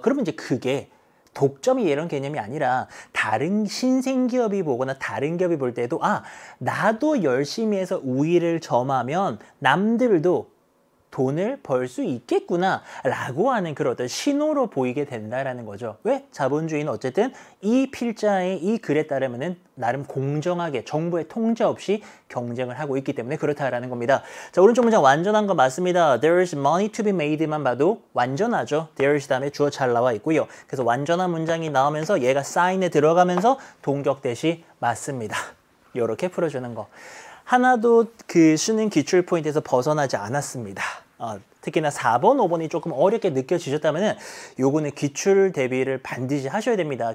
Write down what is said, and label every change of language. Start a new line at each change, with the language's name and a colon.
Korean: 그러면 이제 그게 독점이 이런 개념이 아니라 다른 신생기업이 보거나 다른 기업이 볼 때도 아 나도 열심히 해서 우위를 점하면 남들도 돈을 벌 수 있겠구나 라고 하는 그런 어떤 신호로 보이게 된다라는 거죠. 왜? 자본주의는 어쨌든 이 필자의 이 글에 따르면은 나름 공정하게 정부의 통제 없이 경쟁을 하고 있기 때문에 그렇다라는 겁니다. 자 오른쪽 문장 완전한 거 맞습니다.
English: There is money to be made
Korean: 만 봐도 완전하죠. There is 다음에 주어 잘 나와 있고요. 그래서 완전한 문장이 나오면서 얘가 사인에 들어가면서 동격대시 맞습니다. 이렇게 풀어주는 거. 하나도 그 수능 기출 포인트에서 벗어나지 않았습니다. 특히나 4번, 5번이 조금 어렵게 느껴지셨다면은 요거는 기출 대비를 반드시 하셔야 됩니다.